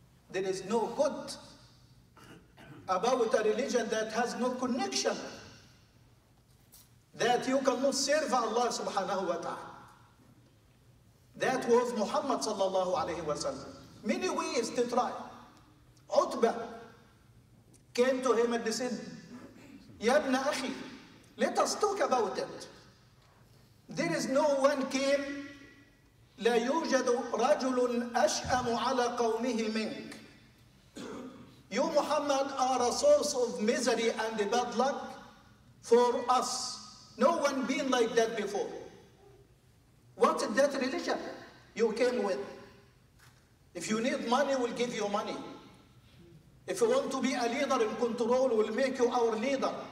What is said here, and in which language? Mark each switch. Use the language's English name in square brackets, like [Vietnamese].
[English] There is no good about a religion that has no connection, that you cannot serve Allah subhanahu wa ta'ala. That was Muhammad sallallahu alayhi wa sallam. Many ways to try. Utbah came to him and they said, Ya ibn akhi, let us talk about it. There is no one came, [Arabic] لا يوجد رجل أشأم على قومه منك. [English] You Muhammad are a source of misery and bad luck for us. No one been like that before. What is that religion you came with? If you need money, we'll give you money. If you want to be a leader in control, we'll make you our leader.